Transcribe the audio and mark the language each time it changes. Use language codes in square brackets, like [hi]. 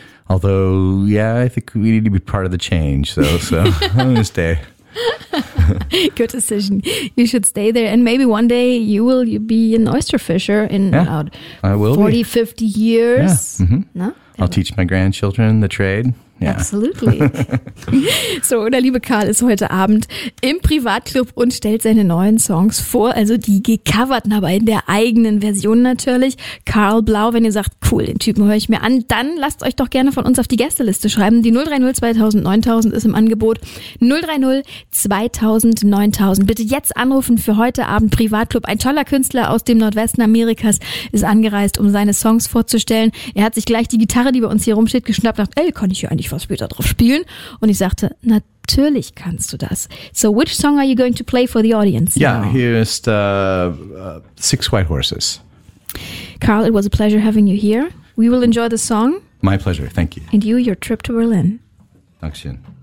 [en] Although, yeah, I think we need to be part of the change. So I'm going to stay. Good decision. You should stay there. And maybe one day you will be an oyster fisher in about 40, 50 years. Yeah. Mm-hmm. No? I'll teach my grandchildren the trade. Yeah. Absolutely. [de] So, der liebe Karl ist heute Abend im Privatclub und stellt seine neuen Songs vor, also die gecoverten, aber in der eigenen Version natürlich. Karl Blau, wenn ihr sagt, cool, den Typen höre ich mir an, dann lasst euch doch gerne von uns auf die Gästeliste schreiben. Die 030 2000 9000 ist im Angebot. 030 2000 9000. Bitte jetzt anrufen für heute Abend Privatclub. Ein toller Künstler aus dem Nordwesten Amerikas ist angereist, um seine Songs vorzustellen. Er hat sich gleich die Gitarre, die bei uns hier rumsteht, geschnappt und dachte, ey, kann ich hier nicht was später drauf spielen. Und ich sagte, natürlich kannst du das. [en] So, which song are you going to play for the audience? Yeah, here is Six White Horses. Carl, it was a pleasure having you here. We will enjoy the song. My pleasure, thank you. And you, your trip to Berlin. [de] Dankeschön.